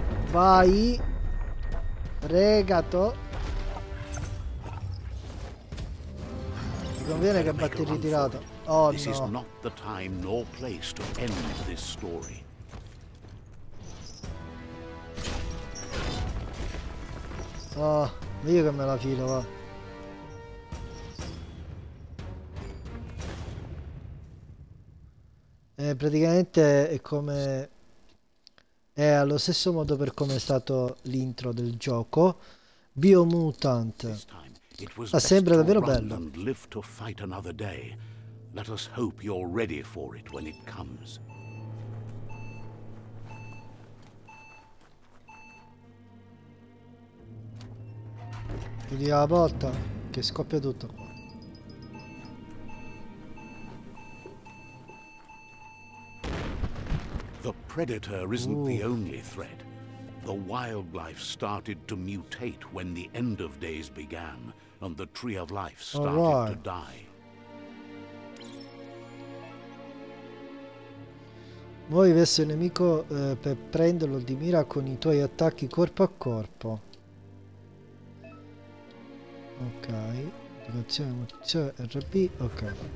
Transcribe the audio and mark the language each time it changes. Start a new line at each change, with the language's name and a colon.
Italian: Vai. Regato. Ti conviene che batti il ritirato? Oh no.
English: This is not the time nor place to end this story.
Italian: Oh, io che me la filo, va. Praticamente è come... È allo stesso modo per come è stato l'intro del gioco. Biomutant. Ma sembra davvero bello.
English: And live to fight another day. Let us hope you're ready for it when it comes.
Italian: Chiudi la porta, che scoppia tutto qua.
English: The predator isn't the only threat. The wildlife started to mutate when the end of days began, and the tree of life started to die.
Italian: Muovi verso il nemico per prenderlo di mira con i tuoi attacchi corpo a corpo. Ok. Direzione, munizione, RB, ok.